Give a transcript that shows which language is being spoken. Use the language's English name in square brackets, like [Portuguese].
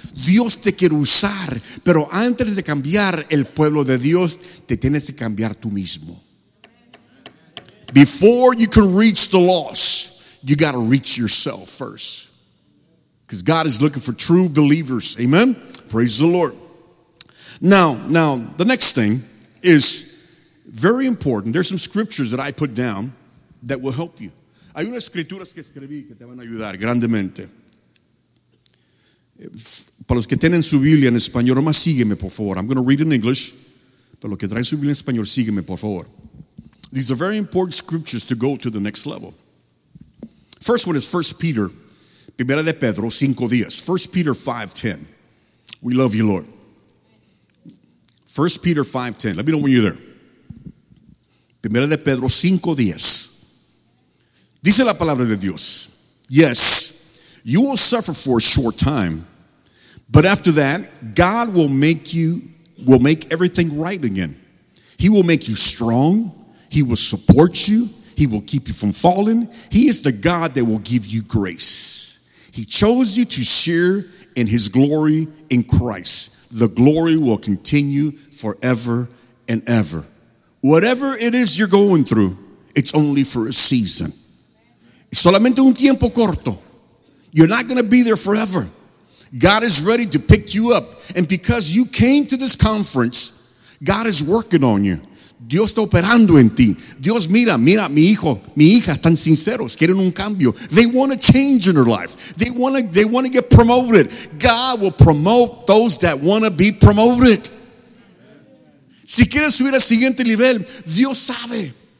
[Spanish] Dios te quiere usar, pero antes de cambiar el pueblo de Dios, te tienes que cambiar tú mismo. [English] Before you can reach the lost, you got to reach yourself first. Because God is looking for true believers. Amen? Praise the Lord. Now, the next thing is very important. There's some scriptures that I put down that will help you. [Spanish] Hay unas escrituras que escribí que te van a ayudar grandemente. Para los que tienen su Biblia en español, nomás sígueme, por favor. [English] I'm going to read in English. [Spanish] Para los que traen su Biblia en español, sígueme, por favor. [English] These are very important scriptures to go to the next level. First one is 1 Peter, Primera de Pedro, 5:10. 1 Peter 5:10. We love you, Lord. 1 Peter 5:10. Let me know when you're there. [Spanish] Primera de Pedro, 5:10. Dice la palabra de Dios. [English] Yes, you will suffer for a short time, but after that, God will make everything right again. He will make you strong. He will support you. He will keep you from falling. He is the God that will give you grace. He chose you to share in his glory in Christ. The glory will continue forever and ever. Whatever it is you're going through, it's only for a season. [Spanish] Solamente un tiempo corto. [English] You're not going to be there forever. God is ready to pick you up. And because you came to this conference, God is working on you. [Spanish] Dios está operando en ti. Dios, mira, mi hijo, mi hija, están sinceros. Quieren un cambio. [English] They want a change in their life. They want to get promoted. God will promote those that want to be promoted. [Spanish] Si quieres subir al siguiente nivel, Dios sabe.